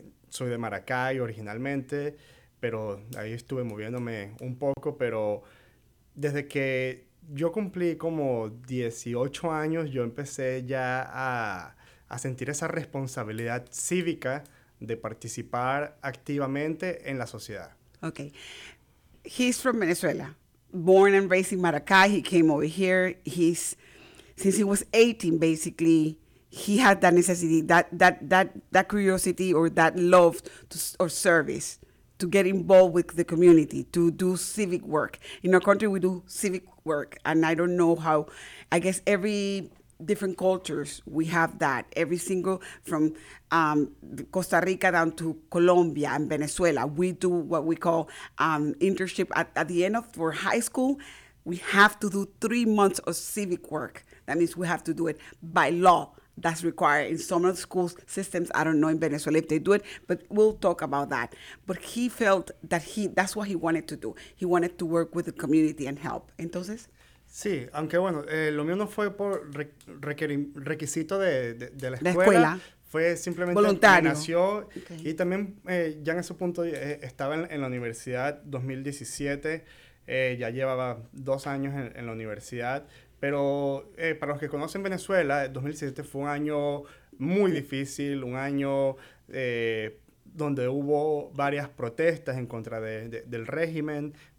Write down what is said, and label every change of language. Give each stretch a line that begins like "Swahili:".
Spanish: Soy de Maracay originalmente, pero ahí estuve moviéndome un poco. Pero desde que yo cumplí como 18 años, yo empecé ya a sentir esa responsabilidad cívica de participar activamente en la sociedad. Okay.
English: He's from Venezuela, born and raised in Maracay. He came over here. Since he was 18, basically, he had that necessity, that curiosity or that love or service to get involved with the community, to do civic work. In our country, we do civic work, and I don't know how, I guess every different cultures, we have that. Every single, from Costa Rica down to Colombia and Venezuela, we do what we call internship. At the end of our high school, we have to do 3 months of civic work. That means we have to do it by law. That's required in some of the school systems. I don't know in Venezuela if they do it, but we'll talk about that. But he felt that that's what he wanted to do. He wanted to work with the community and help.
Spanish: Entonces, sí, aunque bueno, lo mío no fue por requisito de la escuela. La escuela. Fue simplemente voluntario. Nació, okay. Y también ya en ese punto estaba en la universidad 2017, ya llevaba 2 años en la universidad, pero para los que conocen Venezuela, 2017 fue un año muy difícil, un año donde hubo varias protestas en contra del régimen.